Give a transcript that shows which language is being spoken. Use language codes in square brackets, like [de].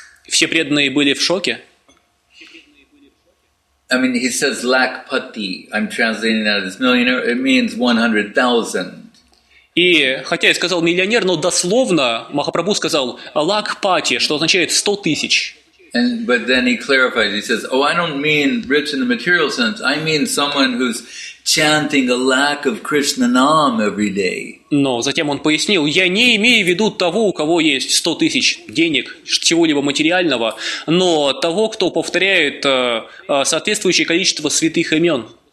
[ru] Все преданные были в шоке. [en] I mean, he says lakhpati. I'm translating that as millionaire. It means 100,000. [ru] И хотя я сказал миллионер, но дословно Махапрабху сказал лакхпати, что означает 100 тысяч. [en] But then he clarified. He says, "Oh, I don't mean rich in the material sense. I mean someone who's chanting a lakh of Krishna Nam every day." [ru] Но затем он пояснил: "Я не имею в виду того, у кого есть 100 тысяч денег, чего-либо материального, но того, кто повторяет соответствующее количество святых имен."